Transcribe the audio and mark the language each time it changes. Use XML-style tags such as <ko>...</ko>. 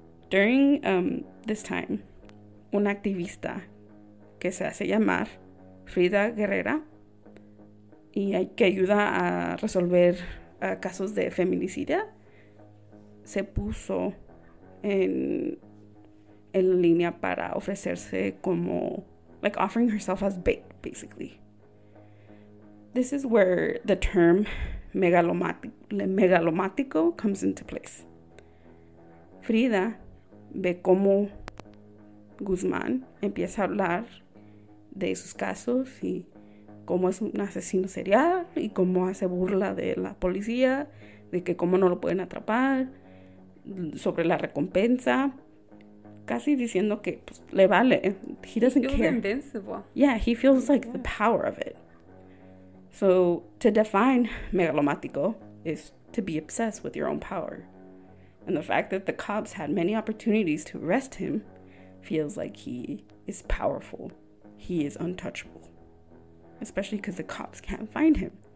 <es>During this time, un activista que se hace llamar Frida Guerrera y que ayuda a resolver casos de feminicidio se puso en línea para ofrecerse como</es> <en>offering herself as bait, basically. This is where the term megalomático comes into place.</en> <es>Frida ve cómo Guzmán empieza a hablar de sus casos y cómo es un asesino serial y cómo hace burla de la policía, de que cómo no lo pueden atrapar, sobre la recompensa, casi diciendo que le vale.</es> <en>He doesn't care. Invincible. Yeah, he feels the power of it. So, to define megalomático is to be obsessed with your own power. And the fact that the cops had many opportunities to arrest him feels like he is powerful. He is untouchable. Especially because the cops can't find him.</en>